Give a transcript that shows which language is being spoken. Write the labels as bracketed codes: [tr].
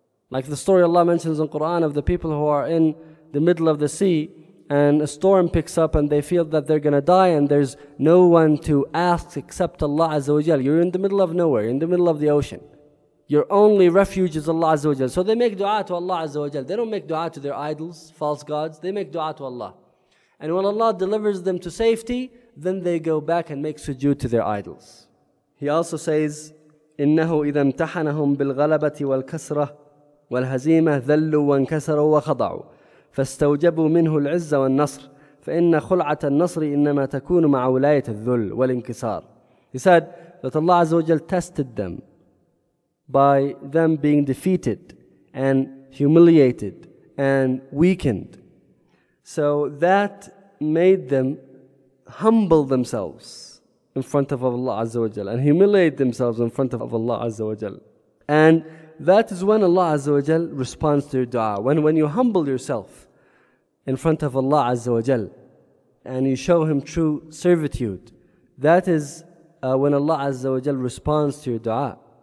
[en] Like the story Allah mentions in Quran of the people who are in the middle of the sea, and a storm picks up and they feel that they're going to die and there's no one to ask except Allah Azza wa Jal. You're in the middle of nowhere, you're in the middle of the ocean. Your only refuge is Allah Azza wa Jal. So they make dua to Allah Azza wa Jal. They don't make dua to their idols, false gods. They make dua to Allah. And when Allah delivers them to safety, then they go back and make sujood to their idols. [ar] He also says, إِنَّهُ إِذَا امْتَحَنَهُمْ بِالْغَلَبَةِ وَالْكَسْرَةِ وَالْهَزِيمَةِ ذَلُّوا وَانْكَسَرُوا وَخَضَعُوا فَاسْتَوْجَبُوا مِنْهُ الْعِزَّ وَالنَّصْرِ فَإِنَّ خُلْعَةَ النَّصْرِ إِنَّمَا تَكُونُ مَعَ وَلَايَةِ الذُّلْ وَالْإِنْكِسَارِ. [en] He said that Allah Azza wa Jal tested them by them being defeated and humiliated and weakened. So that made them humble themselves in front of Allah Azza wa Jal and humiliate themselves in front of Allah Azza wa Jal. And that is when Allah Azza wa Jal responds to your dua. When you humble yourself in front of Allah Azza wa Jal and you show Him true servitude, that is when Allah Azza wa Jal responds to your dua.